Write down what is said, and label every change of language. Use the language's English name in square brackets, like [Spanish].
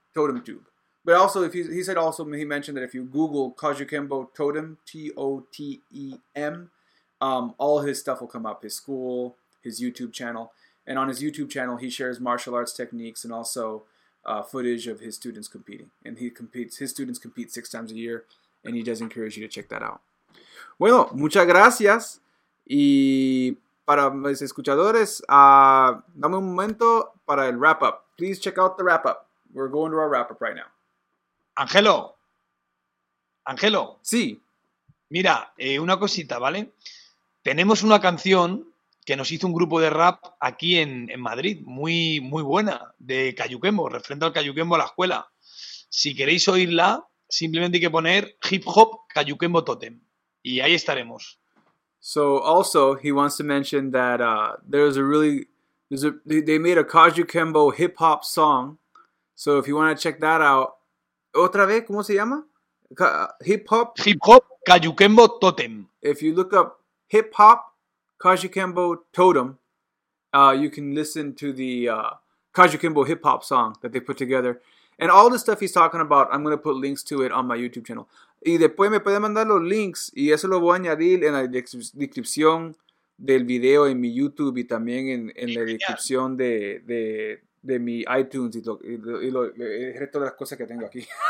[English] But also, if he said also, he mentioned that if you Google Kajukenbo Totem, TOTEM, all his stuff will come up, his school, his YouTube channel. And on his YouTube channel, he shares martial arts techniques and also footage of his students competing. And he competes, his students compete 6 times a year, and he does encourage you to check that out. [Spanish] Bueno, muchas gracias. Y para mis escuchadores, dame un momento para el wrap up. [English] Please check out the wrap up. We're going to our wrap up right now. Ángelo, Ángelo, [Spanish] Sí. mira, una cosita, ¿vale? Tenemos una canción que nos hizo un grupo de rap aquí en Madrid, muy, muy buena, de Cayuquembo, referente al Cayuquembo a la escuela. Si queréis oírla, simplemente hay que poner hip hop Cayuquembo Totem y ahí estaremos. [English] So also he wants to mention that they made a Kajukenbo hip hop song. So if you want to check that out, [Spanish] otra vez, ¿cómo se llama? [English] Hip hop. [Spanish] Hip hop, Cayuquembo Totem. [English] If you look up hip hop Kajukenbo Totem, you can listen to the Kajukenbo hip hop song that they put together. And all the stuff he's talking about, I'm going to put links to it on my YouTube channel. [Spanish] Y después me puede mandar los links y eso lo voy a añadir en la descripción del video en mi YouTube y también en la Genial. descripción de mi iTunes y el resto de las cosas que tengo aquí.